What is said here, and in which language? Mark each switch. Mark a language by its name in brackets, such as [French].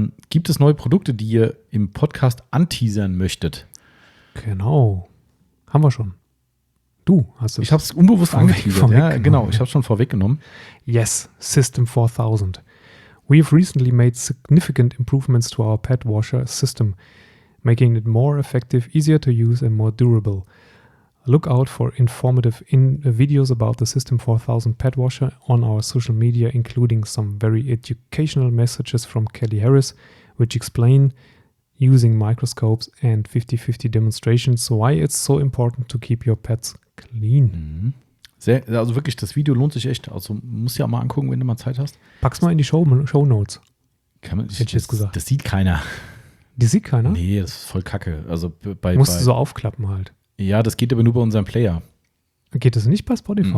[German] Gibt es neue Produkte, die ihr im Podcast anteasern möchtet? Genau. Haben wir schon. Du hast es. Ich habe es unbewusst angeteasert. Ja, genau. Ich habe es schon vorweggenommen. [English] Yes, System 4000. We have recently made significant improvements to our pad washer system, making it more effective, easier to use and more durable. Look out for informative videos about the System 4000 pad washer on our social media, including some very educational messages from Kelly Harris, which explain using microscopes and 50-50 demonstrations why it's so important to keep your pads clean. Mm-hmm. [German] Also wirklich, das Video lohnt sich echt. Also musst du ja auch mal angucken, wenn du mal Zeit hast. Pack's mal in die Show Notes. Hätte ich jetzt gesagt. Das sieht keiner. Die sieht keiner? Nee, das ist voll kacke. Also bei, musst du so aufklappen halt. Ja, das geht aber nur bei unserem Player. Geht das nicht bei Spotify?